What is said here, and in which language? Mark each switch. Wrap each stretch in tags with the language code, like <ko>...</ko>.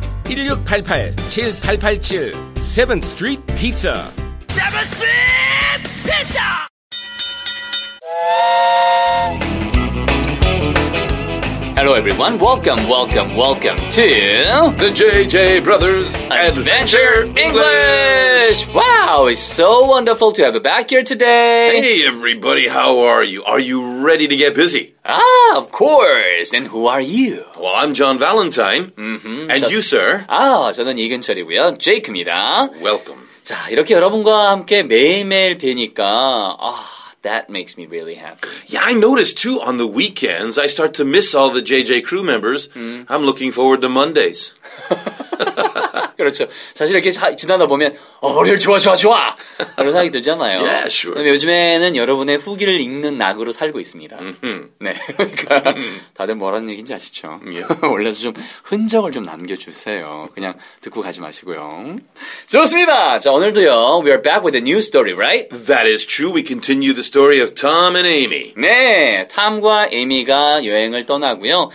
<en>1688-7887 7th Street Pizza 7th Street Pizza. 헬로 에브리원 웰컴 to the JJ Brothers Adventure English. Wow, it's so wonderful to have you back here today. Hey everybody, how are you? Are you ready to get busy? Ah, of course. And who are you? Well, I'm John Valentine. Mm-hmm. And you, sir?</en> <ko>아, 저는 이근철이고요. 제이크입니다.</ko> <en>Welcome.</en> <ko>자, 이렇게 여러분과 함께 매일매일 뵈니까</ko> <en>That makes me really happy. Yeah, I noticed too on the weekends, I start to miss all the JJ crew members. Mm. I'm looking forward to Mondays.</en> <ko>그렇죠. 사실 이렇게 지나다 보면 월요일 좋아. 그런 생각이 들잖아요.</ko> <en>Yeah, sure.</en> <ko>요즘에는 여러분의 후기를 읽는 낙으로 살고 있습니다. Mm-hmm. 네, 그러니까 다들 뭐라는 얘기인지 아시죠?</ko> <en>Yeah.</en> <ko>올려서 좀 흔적을 좀 남겨주세요. 그냥 듣고 가지 마시고요. 좋습니다. 자, 오늘도요.</ko> <en>We are back with a new story, right? That is true. We continue the story of Tom and Amy.</en> <ko>네, 탐과 에미가 여행을 떠나고요.</ko>